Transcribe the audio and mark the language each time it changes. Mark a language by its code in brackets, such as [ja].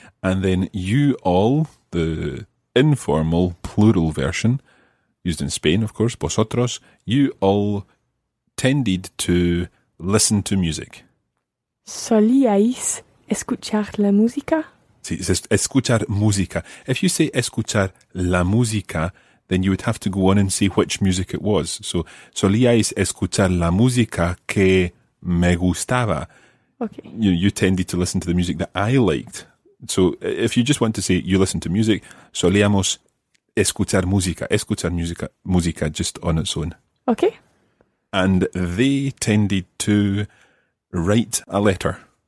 [en] And then you all, the informal plural version, used in Spain, of course, vosotros, you all tended to listen to music. [es] Solíais escuchar la música. Sí, es escuchar música. [en] If you say [es] escuchar la música, [en] then you would have to go on and see which music it was. [es] So, solíais escuchar la música que me gustaba. [en] Okay. You tended to listen to the music that I liked. So, if you just want to say you listen to music, [es] solíamos escuchar música. Escuchar música, música [en] just on its own. Okay. And they tended to write a letter.